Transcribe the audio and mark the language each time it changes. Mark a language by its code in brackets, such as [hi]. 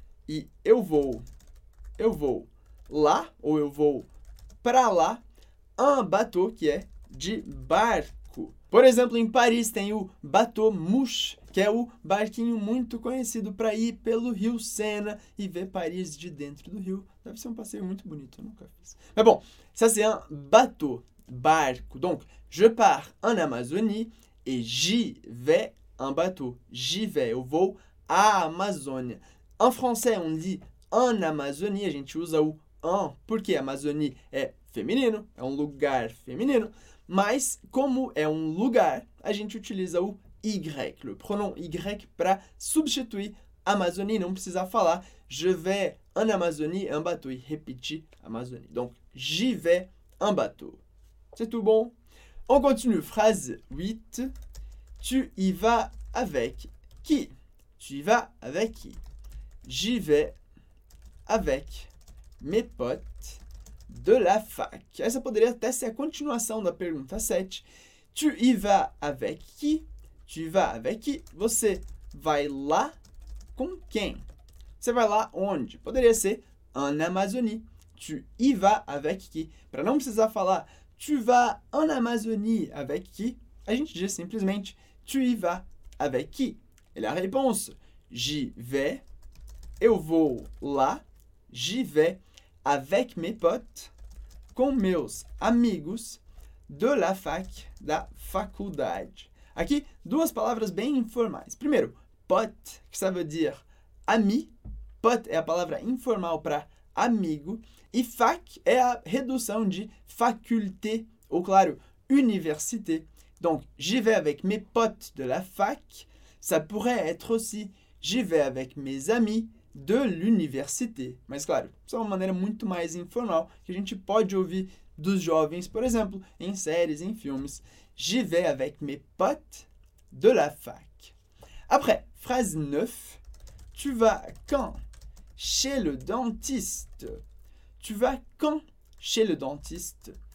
[pt] E eu vou lá, ou eu vou pra lá, [fr] en bateau, [pt] que é de barco. barco. Por exemplo, em Paris tem o bateau mouche, que é o barquinho muito conhecido para ir pelo rio Sena e ver Paris de dentro do rio. Deve ser um passeio muito bonito, eu nunca fiz. Mas bom, [fr] ça c'est un bateau, barco. Donc, je pars en Amazonie et j'y vais en bateau. J'y vais, [pt] eu vou à Amazônia. [fr] En français, on dit en Amazonie, [pt] a gente usa o en, porque Amazonie é feminino, é um lugar feminino. Mas, como é um lugar, a gente utiliza o Y, o pronom Y, para substituir Amazonie, não precisar falar je vais en Amazonie en bateau, e repetir Amazonie. [fr] Donc, j'y vais en bateau. C'est tout bon? On continue, phrase 8. Tu y vas avec qui? Tu y vas avec qui? J'y vais avec mes potes de la fac. [pt] Essa poderia até ser a continuação da pergunta 7. [fr] Tu y vas avec qui? Tu vas avec qui? [pt] Você vai lá com quem? Você vai lá onde? Poderia ser [fr] en Amazonie. Tu y vas avec qui? [pt] Para não precisar falar [fr] tu vas en Amazonie avec qui? [pt] A gente diz simplesmente [fr] tu y vas avec qui? [pt] E a resposta: [fr] j'y vais, [pt] eu vou lá, [fr] j'y vais avec mes potes, [pt] com meus amigos [fr] de la fac, [pt] da faculdade. Aqui, duas palavras bem informais. Primeiro, pote, [fr] que ça veut dire ami. [pt] Pote é a palavra informal para amigo. E fac é a redução de faculté, ou claro, université. [fr] Donc, j'y vais avec mes potes de la fac. Ça pourrait être aussi j'y vais avec mes amis de l'université. [pt] Mas claro, isso é uma maneira muito mais informal que a gente pode ouvir dos jovens, por exemplo, em séries, em filmes. [fr] J'y vais avec mes potes de la fac. Après, phrase 9. Tu vas quand chez le dentiste? Tu vas quand chez le dentiste?